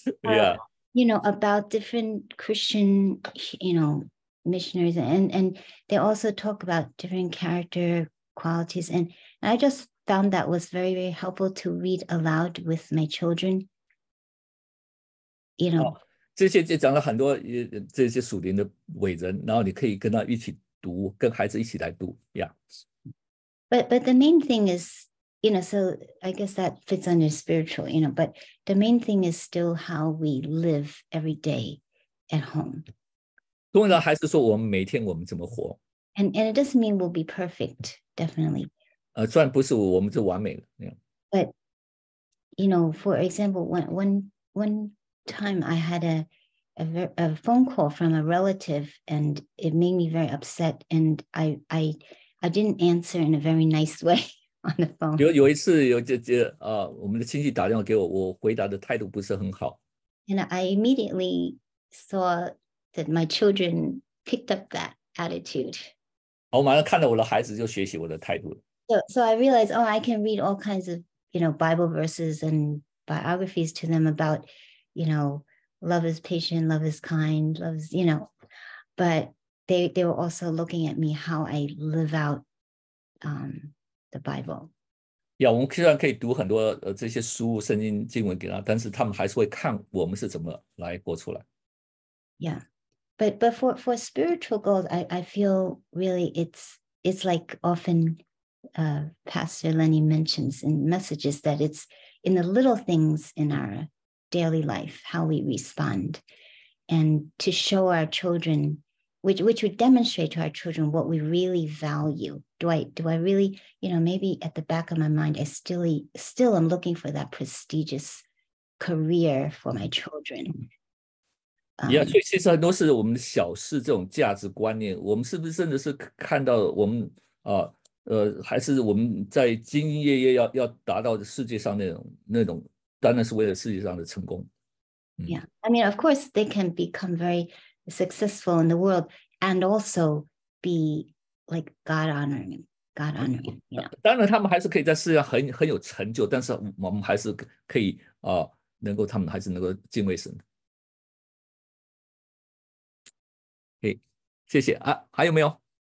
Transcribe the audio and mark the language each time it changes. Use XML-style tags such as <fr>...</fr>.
<en>Yeah. You know, about different Christian, you know, missionaries. And they also talk about different character qualities. And I just found that was very, very helpful to read aloud with my children. You know. Oh.</en> <zh>这些就讲了很多这些属灵的伟人，然后你可以跟他一起读，跟孩子一起来读</zh> <en>But the main thing is, you know, so I guess that fits under spiritual, you know, but the main thing is still how we live every day at home.</en> <zh>重要还是说我们每天我们怎么活。</zh> <en>And it doesn't mean we'll be perfect, definitely.</en> <zh>虽然不是我们就完美了。</zh> <en>Yeah. But, you know, for example, when time I had a phone call from a relative and it made me very upset and I didn't answer in a very nice way on the phone.</en> <zh>有一次有我们的亲戚打电话给我，我回答的态度不是很好。</zh> <en>And I immediately saw that my children picked up that attitude.</en> <zh>我马上看到我的孩子就学习我的态度。</zh> <en>So I realized, oh, I can read all kinds of, you know, Bible verses and biographies to them aboutYou know, love is patient, love is kind, love is, you know, but they were also looking at me how I live out the Bible.</en> <zh>Yeah, 我们虽然可以读很多这些书、圣经经文给他，但是他们还是会看我们是怎么来过出来。</zh> <en>Yeah, but for spiritual goals, I feel really it's like often Pastor Lenny mentions in messages that it's in the little things in our. Daily life, how we respond, and to show our children, which would demonstrate to our children what we really value. Do I really, you know, maybe at the back of my mind, I still am looking for that prestigious career for my children.</en> <zh>Yeah, 所以其实很多是我们小事这种价值观念，我们是不是真的是看到我们还是我们在兢兢业业要达到世界上那种。当然是为了世界上的成功。</zh> <en>Yeah, I mean, of course, they can become very successful in the world and also be like God honoring. You know?</en> <zh>当然，他们还是可以在世界上很有成就，但是我们还是可以能够他们还是能够敬畏神。 Okay, 谢谢啊，还有没有？</zh>